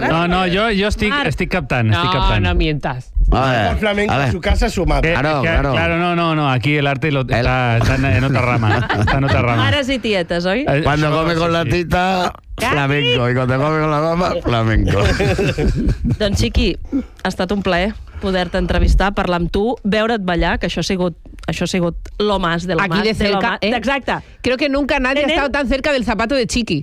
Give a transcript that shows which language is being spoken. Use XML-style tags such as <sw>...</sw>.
<es>No, yo estoy captando. No, captan. No mientas. El flamenco en su casa, su madre. Claro. Claro, no. Aquí el arte está en otra rama. Está en otra rama. Mares y tietas, ¿oí? Cuando come con la tita, flamenco. Y cuando come con la mamá, flamenco.</es> <ca>Don Chiqui, ha estat un plaer poder-te entrevistar, parlar amb tu, veure't ballar, que això ha sigut</ca> <es>lo más de lo aquí más. Aquí de cerca, de</es> <ca>exacte.</ca> <es>Creo que nunca nadie ha estado tan cerca del zapato de Chiqui.</es>